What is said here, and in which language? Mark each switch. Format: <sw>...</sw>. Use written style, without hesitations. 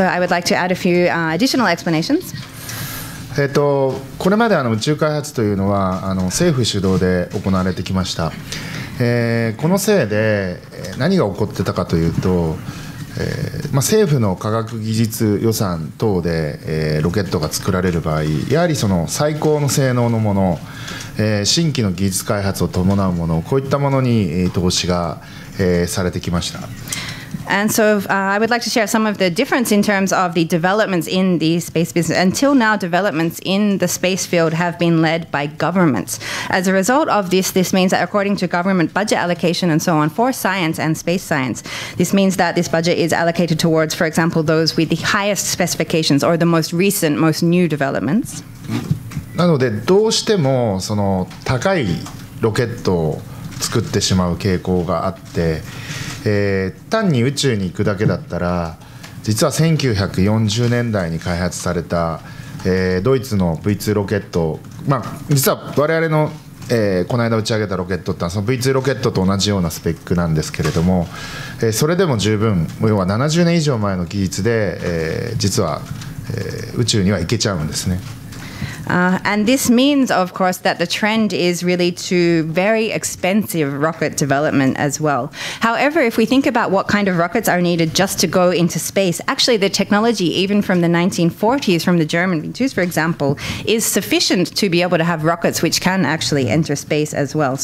<en>So I would like to add a few additional explanations.</en> <ja>これまで宇宙開発というのは政府主導で行われてきました。このせいで何が起こってたかというと、政府の科学技術予算等で、ロケットが作られる場合、やはりその最高の性能のもの、新規の技術開発を伴うもの、こういったものに投資が、されてきました。</ja> <en>And so I would like to share some of the difference in terms of the developments in the space business. Until now, developments in the space field have been led by governments. As a result of this, this means that according to government budget allocation and so on for science and space science, this means that this budget is allocated towards, for example, those with the highest specifications or the most recent, most new developments.</en> <ja>なのでどうしてもその高いロケットを作ってしまう傾向があって、単に宇宙に行くだけだったら実は1940年代に開発された、ドイツの V2 ロケット、まあ、実は我々の、この間打ち上げたロケットってのはその V2 ロケットと同じようなスペックなんですけれども、それでも十分要は70年以上前の技術で、実は、宇宙には行けちゃうんですね。</ja> <en>And this means, of course, that the trend is really to very expensive rocket development as well. However, if we think about what kind of rockets are needed just to go into space, actually the technology, even from the 1940s, from the German V2s, for example, is sufficient to be able to have rockets which can actually enter space as well.</en>